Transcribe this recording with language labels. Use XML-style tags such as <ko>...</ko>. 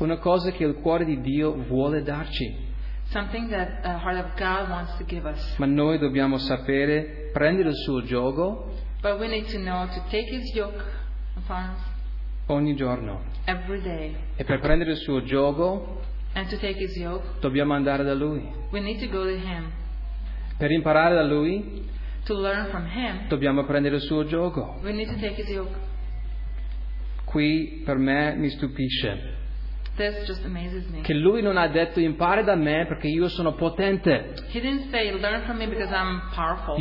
<it>Una cosa che il cuore di Dio vuole darci.</it> <en>Something that the heart of God wants to give us.</en> <it>Ma noi dobbiamo sapere prendere il suo giogo.</it> <en>But we need to know to take his yoke upon us.</en> <it>Ogni giorno.</it> <en>Every day.</en> <it>E per prendere il suo giogo.</it> <en>And to take his yoke.</en> <it>Dobbiamo andare da lui.</it> <en>We need to go to him.</en> <it>Per imparare da lui.</it> <en>To learn from him.</en> <it>Dobbiamo prendere il suo giogo.</it> <en>We need to take his yoke.</en> <it>Qui per me mi stupisce.</it> <en>This just amazes me.</en> <it>Che lui non ha detto impara da me perché io sono potente.</it> <en>He didn't say learn from me because I'm powerful.</en>